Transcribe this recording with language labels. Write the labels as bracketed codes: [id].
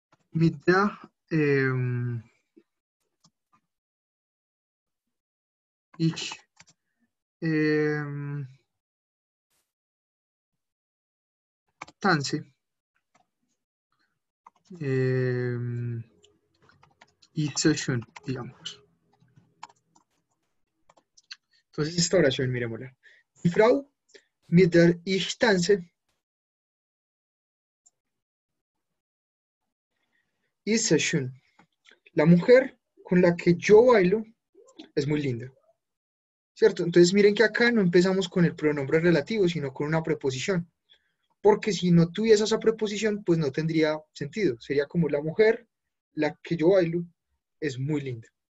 [es] Digamos. Entonces, esta oración, mirémosla. [de] Die Frau, mit der ich tanze, ist schön. [es] La mujer con la que yo bailo es muy linda. ¿Cierto? Entonces, miren que acá no empezamos con el pronombre relativo, sino con una preposición. Porque si no tuviese esa preposición, pues no tendría sentido. Sería como la mujer, la que yo bailo, es muy linda.